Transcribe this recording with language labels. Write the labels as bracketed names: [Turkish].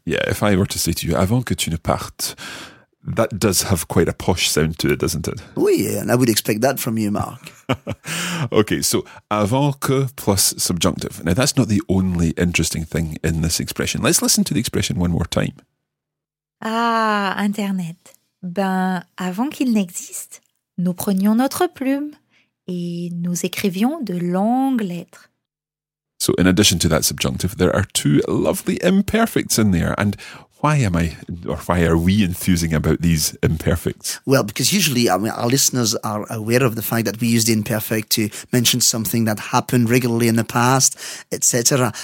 [English] Yeah, if I were to say to you, [French] avant que tu ne partes, [English] that does have quite a posh sound to it, doesn't it? Oui, and I would expect that from you, Marc. Okay, so avant que plus subjunctive. Now, that's not the only interesting thing in this expression. Let's listen to the expression one more time. [French] Ah, Internet. Ben, avant qu'il n'existe, nous prenions notre plume et nous écrivions de longues lettres. [English] So in addition to that subjunctive, there are two lovely imperfects in there. And why are we enthusing about these imperfects? Well, because usually our listeners are aware of the fact that we use the imperfect to mention something that happened regularly in the past, etc.